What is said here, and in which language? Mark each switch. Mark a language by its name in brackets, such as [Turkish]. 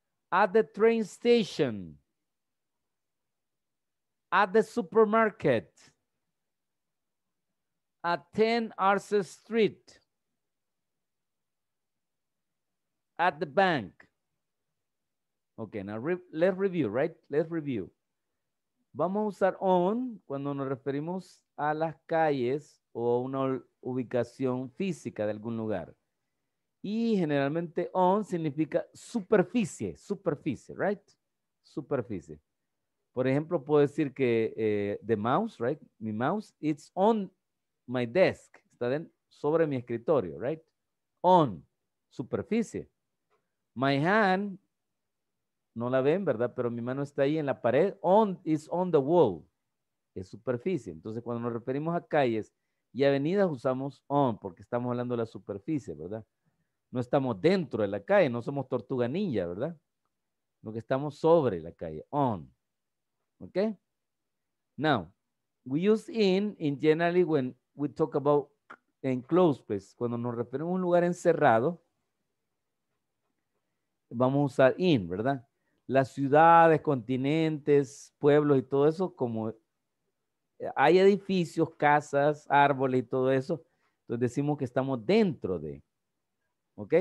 [English] At the train station, at the supermarket, at 10 Arce Street, at the bank. Okay, now let's review. [Spanish] Vamos a usar on cuando nos referimos a las calles o a una ubicación física de algún lugar. Y generalmente on significa superficie, right? Superficie. Por ejemplo, puedo decir que [English] the mouse, right? Mi mouse, it's on my desk. [Spanish] Está sobre mi escritorio, right? On, superficie. [English] My hand, [Spanish] no la ven, ¿verdad? Pero mi mano está ahí en la pared. On, [English] it's on the wall. [Spanish] Es superficie. Entonces, cuando nos referimos a calles y avenidas, usamos on porque estamos hablando de la superficie, ¿verdad? No estamos dentro de la calle, no somos tortuga ninja, ¿verdad? Lo que estamos sobre la calle, on. ¿Ok? [English] Now, we use in generally when we talk about enclosed place. [Spanish] Cuando nos referimos a un lugar encerrado, vamos a usar in, ¿verdad? Las ciudades, continentes, pueblos y todo eso, como hay edificios, casas, árboles y todo eso, entonces decimos que estamos dentro de. ¿Ok?